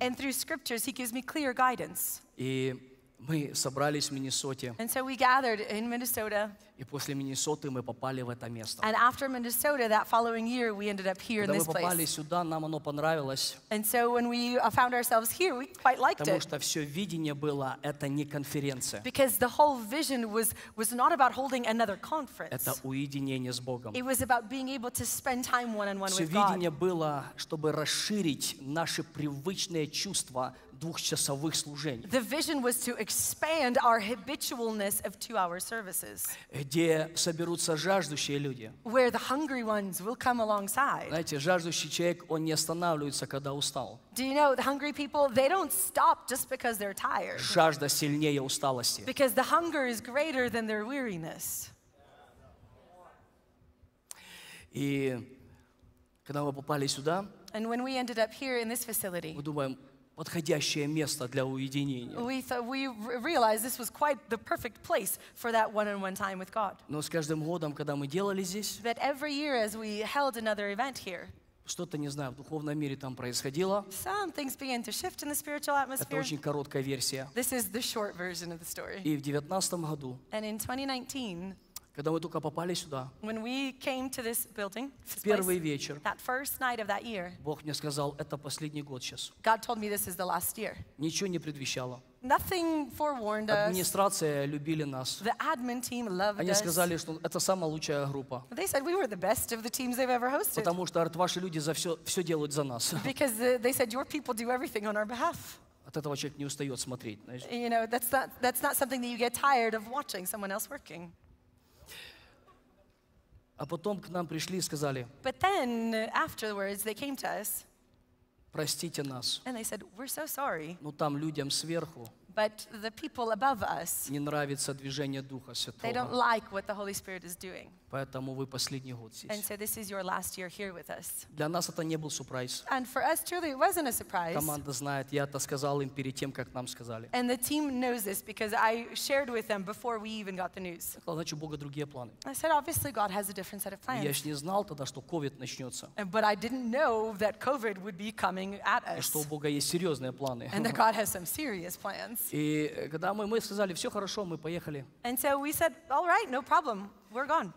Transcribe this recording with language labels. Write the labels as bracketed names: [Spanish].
[English] And through scriptures, he gives me clear guidance. [Russian] И мы собрались в Миннесоте. [English] And so we gathered in Minnesota. [Russian] И после Миннесоты мы попали в это место. [English] And after Minnesota, that following year, we ended up here in this place. [Russian] Когда мы попали сюда, нам оно понравилось. [English] And so when we found ourselves here, we quite liked it. [Russian] Потому что все видение было, это не конференция. [English] Because the whole vision was not about holding another conference. [Russian] Это уединение с Богом. [English] It was about being able to spend time one-on-one with God. [Russian] Все видение было, чтобы расширить наши привычные чувства двухчасовых служений. [English] The vision was to expand our habitualness of two-hour services. [Russian] Где соберутся жаждущие люди. [English] Where the hungry ones will come alongside. [Russian] Знаете, жаждущий человек, он не останавливается, когда устал. [English] Do you know, the hungry people, they don't stop just because they're tired. [Russian] Жажда сильнее усталости. [English] Because the hunger is greater than their weariness. [Russian] И когда мы попали сюда, [English] and when we ended up here in this facility, [Russian] мы думаем, подходящее место для уединения. [English] We realized this was quite the perfect place for that one-on-one time with God. [Russian] Но с каждым годом, когда мы делали здесь, [English] but every year as we held another event here, [Russian] Что-то, не знаю, в духовном мире там происходило. [English] Some things began to shift in the spiritual atmosphere. [Russian] Это очень короткая версия. [English] This is the short version of the story. [Russian] И в 19-м году, [English] and in 2019, [Russian] когда мы только попали сюда, [English] when we came to this building, this [Russian] первый [English] place, [Russian] вечер, [English] that first night of that year, [Russian] Бог мне сказал, это последний год сейчас. [English] God told me this is the last year. [Russian] Ничего не предвещало. [English] Nothing forewarned us. [Russian] Администрация любили нас. [English] The admin team loved us. [Russian] Они сказали, что это самая лучшая группа. [English] They said we were the best of the teams they've ever hosted. [Russian] Потому что ваши люди за все делают за нас. [English] Because they said your people do everything on our behalf. [Russian] От этого человек не устает смотреть. [English] You know, that's not something that you get tired of watching someone else working. [Russian] А потом к нам пришли и сказали. [English] But then afterwards they came to us. [Russian] Простите нас. [English] And they said, we're so sorry. [Russian] Но там людям сверху. [English] But the people above us. [Russian] Не нравится движение Духа Святого. [English] They don't like what the Holy Spirit is doing. [Russian] Поэтому вы последний год здесь. [English] And so this is your last year here with us. [Russian] Для нас это не был сюрприз. [English] And for us truly it wasn't a surprise. [Russian] Команда знает, я это сказал им перед тем, как нам сказали. [English] And the team knows this because I shared with them before we even got the news. [Russian] Значит, у Бога другие планы. [English] I said, obviously God has a different set of plans. [Russian] Я ж не знал тогда, что COVID начнется. [English] But I didn't know that COVID would be coming at us. [Russian] Что у Бога есть серьезные планы. [English] And that God has some serious plans. [Russian] И когда мы сказали, все хорошо, мы поехали. [English] And so we said, all right, no problem, we're gone.